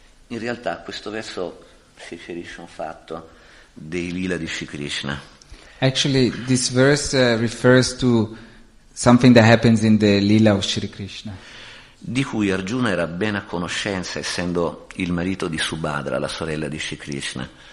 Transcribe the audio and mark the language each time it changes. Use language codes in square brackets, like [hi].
[it] In realtà questo verso si riferisce a un fatto dei lila di Sri Krishna. [en] Actually, this verse refers to something that happens in the lila of Sri Krishna, [it] di cui Arjuna era ben a conoscenza essendo il marito di Subhadra, la sorella di Sri Krishna.